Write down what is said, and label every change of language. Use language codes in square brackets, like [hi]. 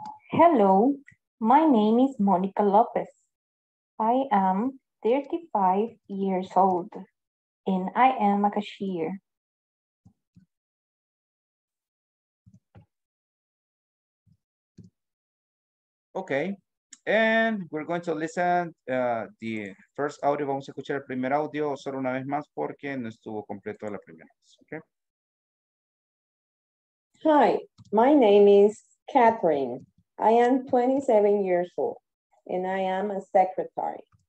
[en] Hello, my name is Monica Lopez. I am 35 years old and I am a cashier. Okay, and we're going to listen the first audio. [es] Vamos a escuchar el primer audio solo una vez más porque no estuvo completo la primera vez, okay? [en] Hi, my name is Catherine. I am 27 years old and I am a secretary.